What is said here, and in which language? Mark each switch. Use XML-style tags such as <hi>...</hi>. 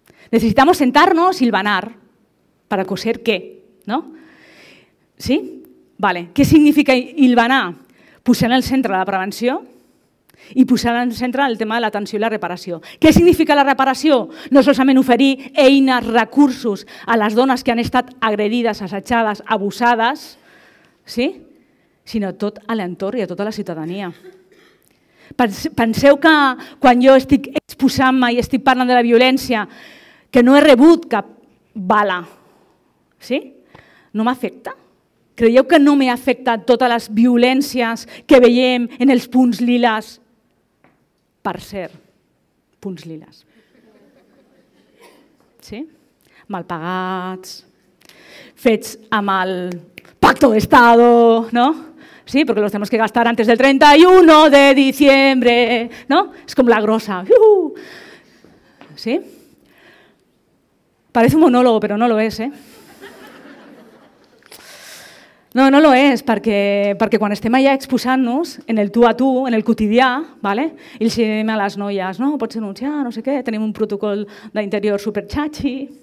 <es>Necesitamos sentarnos, hilvanar, para coser qué, ¿no? ¿Sí? Vale. ¿Qué significa hilvanar?</es> <ca>Posar en el centre la prevenció i posar en el centre el tema de l'atenció i la reparació. Què significa la reparació? No solament oferir eines, recursos a les dones que han estat agredides, assetjades, abusades, sí? Sinó tot a l'entorn i a tota la ciutadania. Penseu que quan jo estic exposant-me i estic parlant de la violència, que no he rebut cap bala, sí? No m'afecta? Creieu que no m'afecta totes les violències que veiem en els punts liles? Per cert, punts liles. Sí? Mal pagats, fets amb el pacto de Estado, no?</ca> <es>Sí, porque los tenemos que gastar antes del 31 de diciembre, ¿no? Es como la grosa. ¿Sí? Parece un monólogo, pero no lo es, ¿eh? No, no lo es,</es> <ca>perquè quan estem allà exposant-nos, en el tu a tu, en el quotidià, ¿vale? I els diem a les noies, no, pots denunciar, no sé què, tenim un protocol d'interior superxachi.</ca>